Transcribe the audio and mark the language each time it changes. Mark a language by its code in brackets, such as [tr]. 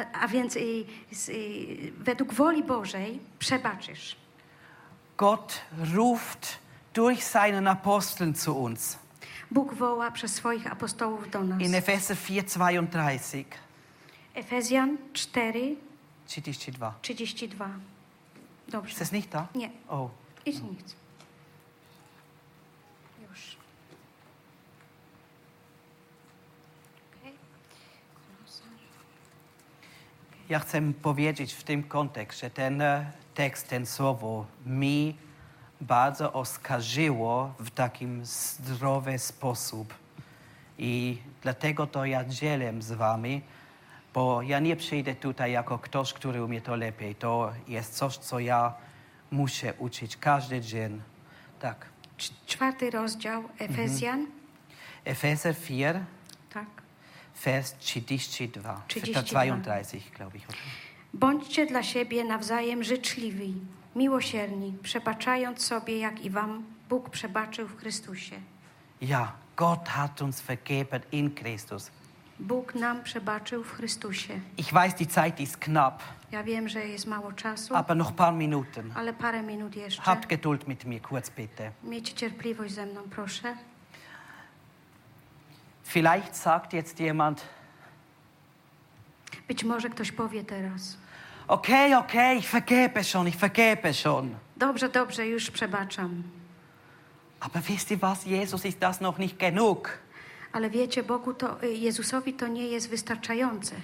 [pl] A więc według woli Bożej przebaczysz. [de] Gott ruft durch seinen Aposteln zu uns. [pl] Bóg woła przez swoich apostołów do nas. [de] In Epheser 4, 32. [pl] Efezjan 4, 32. 32. Dobrze. [de] Ist es nicht da? [pl] Nie. Oh. [de] Ist nichts. [pl] Już. Okay. Ja chcę powiedzieć w tym kontekście, ten tekst, ten słowo mi bardzo oskarżyło w takim zdrowy sposób. I dlatego to ja dzielę z wami, bo ja nie przyjdę tutaj jako ktoś, który umie to lepiej. To jest coś, co ja muszę uczyć każdy dzień. Tak. Czwarty rozdział, Efezjan. Mhm. Efezjan 4, tak. [de] Vers 32. 32, glaube ich. [pl] Bądźcie dla siebie nawzajem życzliwi, miłosierni, przebaczając sobie, jak i wam Bóg przebaczył w Chrystusie. [de] Ja, Gott hat uns vergeben in Christus. [pl] Bóg nam przebaczył w Chrystusie. [de] Ich weiß, die Zeit ist knapp. [pl] Ja wiem, że jest mało czasu. [de] Aber noch paar Minuten. [pl] Ale parę minut jeszcze. [de] Habt Geduld mit mir, kurz bitte. [pl] Miejcie cierpliwość ze mną, proszę. [de] Vielleicht sagt jetzt jemand. [pl] Być może ktoś powie teraz. [de] Okej, ich vergebe schon. [pl] Dobrze, już przebaczam. [de] Aber wisst ihr was, Jesus ist das noch nicht genug. [pl] Ale wiecie, Bogu to, Jezusowi to nie jest wystarczające.